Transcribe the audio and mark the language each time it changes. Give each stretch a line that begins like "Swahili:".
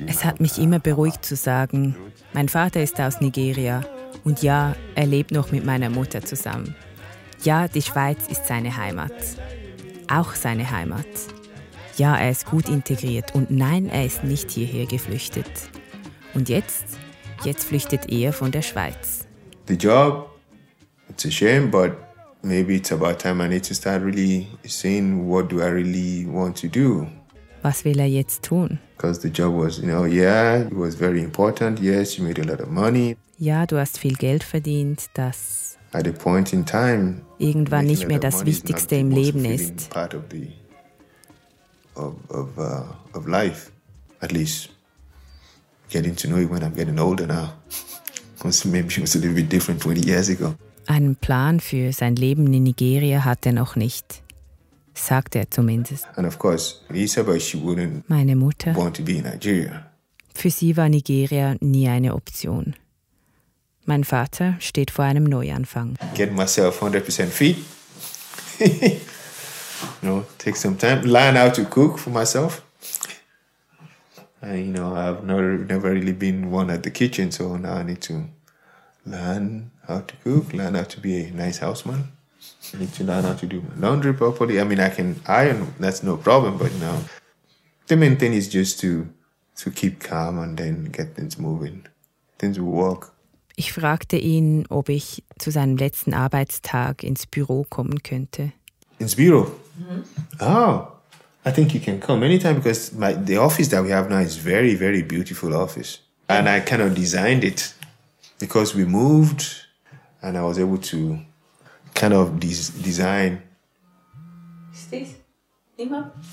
German: immer. Es hat mich immer beruhigt zu sagen, mein Vater ist aus Nigeria und ja, er lebt noch mit meiner Mutter zusammen. Ja, die Schweiz ist seine Heimat, auch seine Heimat. Ja, er ist gut integriert und nein, er ist nicht hierher geflüchtet. Und jetzt flüchtet er von der Schweiz.
English: The job, it's a shame, but maybe it's about time I need to start really seeing what do I really want to do.
German: Was will er jetzt tun?
English: Because the job was, you know, yeah, it was very important. Yes, you made a lot of money.
German: Ja, du hast viel Geld verdient, das
English: at a point in time,
German: irgendwann nicht mehr das Wichtigste im Leben ist.
English: Part of the of life, at least getting to know you when I'm getting older now. Maybe it was a little bit different 20 years ago.
German: Einen Plan für sein Leben in Nigeria hat er noch nicht, sagt er zumindest.
English: And of course, Lisa, but she wouldn't
German: meine Mutter
English: want to be in Nigeria.
German: Für sie war Nigeria nie eine Option. Mein Vater steht vor einem Neuanfang.
English: Get myself 100% fit. You know, take some time. Learn how to cook for myself. And, you know, I've never really been one at the kitchen, so now I need to learn how to cook, learn how to be a nice houseman. I need to learn how to do my laundry properly. I mean, I can iron, that's no problem, but no. The main thing is just to keep calm and then get things moving. Things will work.
German: Ich fragte ihn, ob ich zu seinem letzten Arbeitstag ins Büro kommen könnte. Ins Büro? Mm-hmm.
English: Oh, I think you can come anytime because the office that we have now is very, very beautiful office. And I kind of designed it. Because we moved and I was able to kind of design. Is this?
German: Immer?